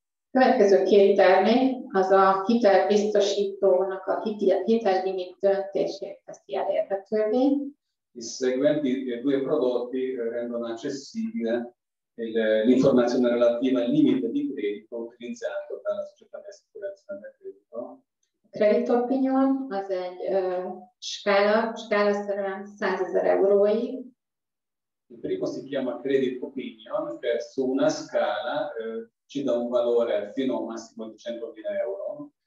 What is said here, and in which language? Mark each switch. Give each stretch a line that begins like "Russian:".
Hungarian: Következő két termék, az a hitelbiztosítónak a hitellimit döntését teszi elérhetővé.
Italian: I seguenti due prodotti rendono accessibile l'informazione relativa al limite di credito utilizzato dalla società di assicurazione del credito.
Hungarian: Credit opinion az egy skálaszerűen 100.000 euróig.
Italian: Il primo si chiama credit opinion, che su una scala ci dà un valore fino a un massimo di 100.000 euro.